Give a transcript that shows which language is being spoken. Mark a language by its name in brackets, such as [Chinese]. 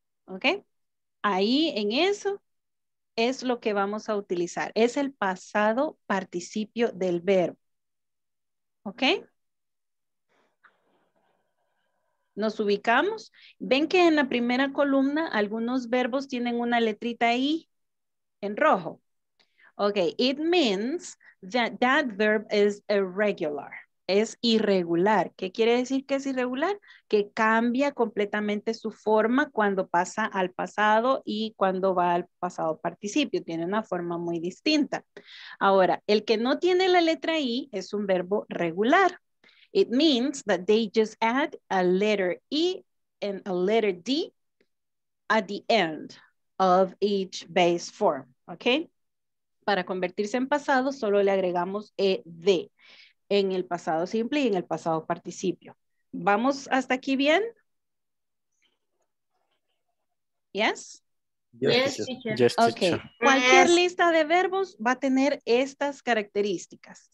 [Spanish] Ok, ahí en eso es lo que vamos a utilizar. Es el pasado participio del verbo. ¿Ok? Nos ubicamos. ¿Ven que en la primera columna algunos verbos tienen una letrita I en rojo? [English] Ok, it means that that verb is irregular. [Spanish] Es irregular. ¿Qué quiere decir que es irregular? Que cambia completamente su forma cuando pasa al pasado y cuando va al pasado participio. Tiene una forma muy distinta. Ahora, el que no tiene la letra I es un verbo regular. [English] It means that they just add a letter I and a letter D at the end of each base form. [Spanish] Ok, para convertirse en pasado solo le agregamos ED en el pasado simple y en el pasado participio. ¿Vamos hasta aquí bien? [English] ¿Yes? Yes, teacher. Ok. [Spanish] Cualquier lista de verbos va a tener estas características.